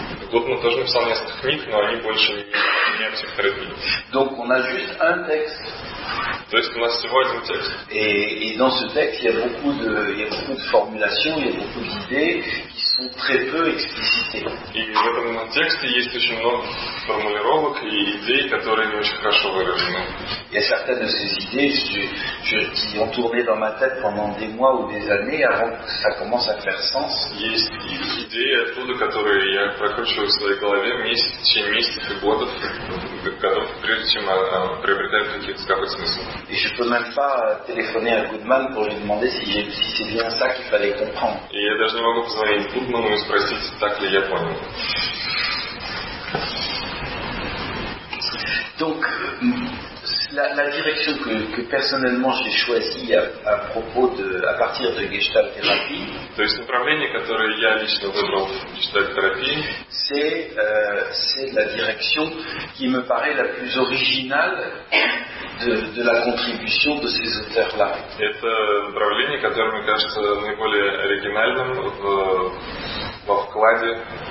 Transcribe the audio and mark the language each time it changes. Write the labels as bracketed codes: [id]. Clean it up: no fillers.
[ru] Гудман тоже написал несколько книг, но они больше не о психотерапии. [fr] Donc on a juste un texte. [ru] То есть у нас всего один текст. [fr] Et dans ce texte, il y a beaucoup de formulations, il y a beaucoup d'idées qui sont très peu explicitées. [ru] И в этом тексте есть очень много формулировок и идей, которые не очень хорошо выражены. [fr] Il y a certaines de ces idées qui ont tourné dans ma tête pendant des mois ou des années avant que ça commence à faire sens. [ru] Есть идеи, оттуда которые я прокручиваю в своей голове месяцев и годов, прежде чем приобретают какой-то смысл. [fr] Et je peux même pas téléphoner à Goodman pour lui demander si c'est bien ça qu'il fallait comprendre. [ru] И я даже не могу позвонить Гудману и спросить, так ли я понял. [fr] Donc, la direction que personnellement j'ai choisie à propos de, à partir de Gestalt Thérapie, [ru] то есть направление, которое я лично выбрал в Gestalt Therapie, [fr] c'est la direction qui me paraît la plus originale de la contribution de ces auteurs-là. [ru] Это направление, которое мне кажется наиболее оригинальным во вкладе.